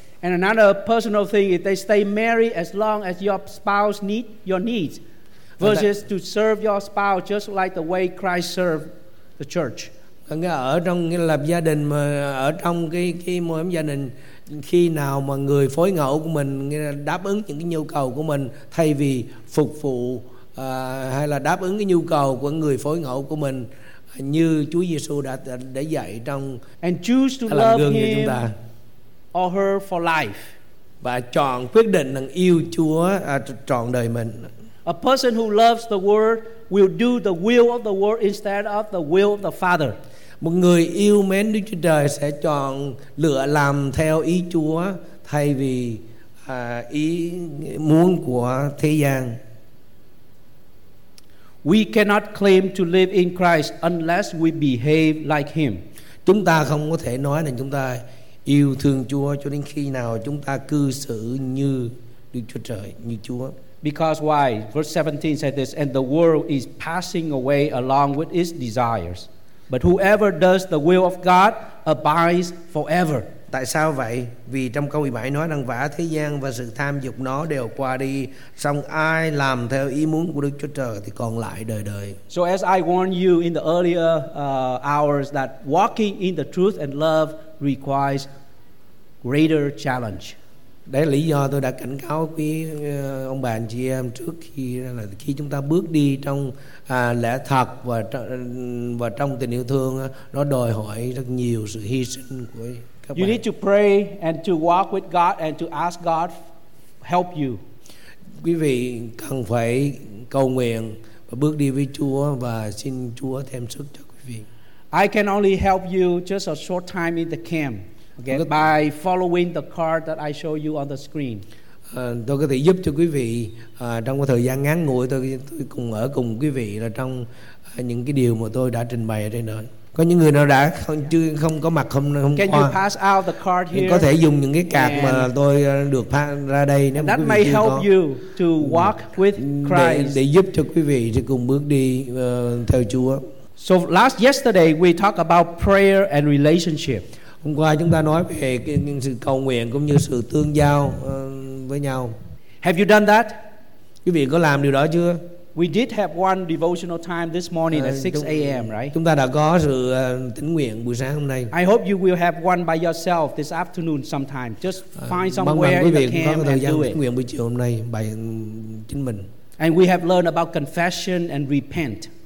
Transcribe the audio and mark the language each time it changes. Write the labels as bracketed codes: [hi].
[en] And another personal thing is they stay married as long as your spouse needs your needs versus to serve your spouse just like the way Christ served the church. [vi] Ở trong nghĩa là gia đình mà ở trong cái mối gia đình khi nào mà người phối ngẫu của mình nghĩa là đáp ứng những cái nhu cầu của mình thay vì phục vụ hay là đáp ứng cái nhu cầu của người phối ngẫu của mình như Chúa Giêsu đã dạy trong [en] and choose to love [vi] gương [en] him [vi] cho chúng ta. [en] Or her for life. [vi] Và chọn quyết định rằng yêu Chúa trọn đời mình. [en] A person who loves the world will do the will of the world instead of the will of the Father. [vi] Một người yêu mến Đức Chúa Trời sẽ chọn lựa làm theo ý Chúa thay vì ý muốn của thế gian. [en] We cannot claim to live in Christ unless we behave like Him. [vi] Chúng ta không có thể nói rằng chúng ta yêu thương Chúa cho đến khi nào chúng ta cư xử như Đức Chúa Trời, như Chúa. [en] Because why? Verse 17 says this, and the world is passing away along with its desires. But whoever does the will of God abides forever. [vi] Tại sao vậy? Vì trong câu 17 nói rằng vả thế gian và sự tham dục nó đều qua đi, song ai làm theo ý muốn của Đức Chúa Trời thì còn lại đời đời. [en] So as I warned you in the earlier hours that walking in the truth and love requires greater challenge. [vi] Đấy là lý do tôi đã cảnh cáo quý ông bà anh chị em trước khi là khi chúng ta bước đi trong lẽ thật và trong tình yêu thương nó đòi hỏi rất nhiều sự hy sinh của các bạn. [en] You need to pray and to walk with God and to ask God help you. [vi] Quý vị cần phải cầu nguyện và bước đi với Chúa và xin Chúa thêm sức cho quý vị. [en] I can only help you just a short time in the camp. Okay, by following the card that I show you on the screen. [vi] Tôi có thể giúp cho quý vị trong cái thời gian ngắn ngủi tôi cùng ở cùng quý vị là trong những cái điều mà tôi đã trình bày ở đây nữa. Có những người nào đã không có mặt hôm [en] qua. Can you pass out the card here? [vi] Có thể dùng những cái card mà tôi được phát ra đây nếu [en] that may help you to walk with Christ. [vi] Để giúp cho quý vị thì cùng bước đi theo Chúa. [en] So last yesterday we talked about prayer and relationship. [vi] Hôm qua chúng ta nói về sự cầu nguyện cũng như sự tương giao với nhau. [en] Have you done that? [vi] Quý vị có làm điều đó chưa? [en] We did have one devotional time this morning at 6 a.m., right? [vi] Chúng ta đã có sự tĩnh nguyện buổi sáng hôm nay. [en] I hope you will have one by yourself this afternoon sometime. Just find somewhere in the camp [vi] quý vị có thời gian tĩnh nguyện buổi chiều hôm nay bài chính mình. [en] And we have learned about confession and repent.